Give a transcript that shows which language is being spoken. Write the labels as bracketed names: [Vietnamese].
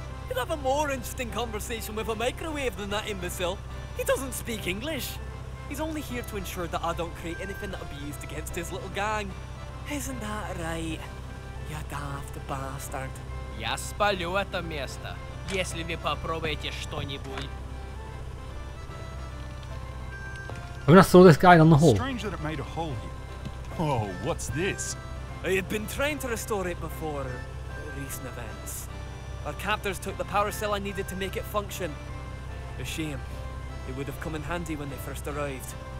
[English] You'd have a more interesting conversation with a microwave than that imbecile. He doesn't speak English. He's only here to ensure that I don't create anything that'll be used against his little gang. Isn't that right? You daft bastard. [Russian] Я спалю это место, если вы попробуете что-нибудь. [English] I mean, I saw this guy on the hole. Strange that it made a hole here. Oh, what's this? I had been trying to restore it before recent events. Our captors took the power cell I needed to make it function. A shame. It would have come in handy when they first arrived.